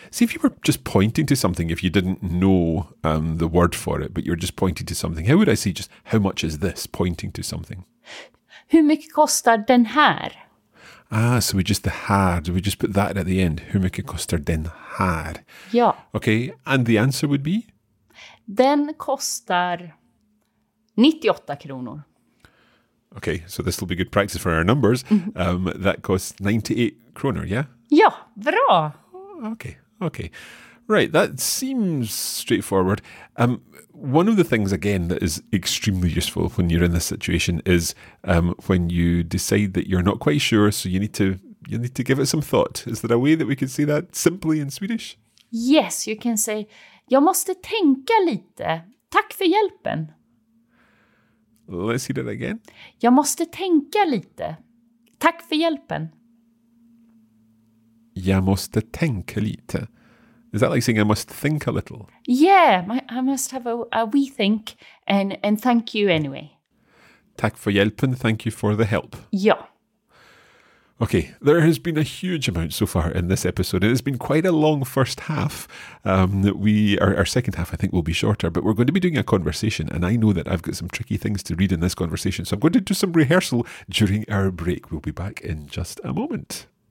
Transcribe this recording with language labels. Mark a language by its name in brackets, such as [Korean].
[English] See, if you were just pointing to something, if you didn't know the word for it, but you're just pointing to something, how would I say just how much is this, pointing to something? [Swedish] Hur mycket kostar den här? [English] Ah, so we just the här, we just put that at the end. [Swedish] Hur mycket kostar den här? Ja. [English] Okay, and the answer would be? [Swedish] Den kostar 98 kronor. [English] Okay, so this will be good practice for our numbers. That costs 98 kronor, yeah? [Swedish] Ja, bra. [English] Okay, okay. Right, that seems straightforward. One of the things, again, that is extremely useful when you're in this situation is when you decide that you're not quite sure, so you need to give it some thought. Is there a way that we could say that simply in Swedish? Yes, you can say, [Swedish] jag måste tänka lite. Tack för hjälpen. [English] Let's hear that again. [Swedish] Jag måste tänka lite. Tack för hjälpen. Jag måste tänka lite. [English] Is that like saying I must think a little? Yeah, I must have a wee think and thank you anyway. [Swedish] Tack för hjälpen, [English] thank you for the help. [Swedish] Ja. [English] Okay, there has been a huge amount so far in this episode. It has been quite a long first half. Our second half, I think, will be shorter, but we're going to be doing a conversation, and I know that I've got some tricky things to read in this conversation, so I'm going to do some rehearsal during our break. We'll be back in just a moment.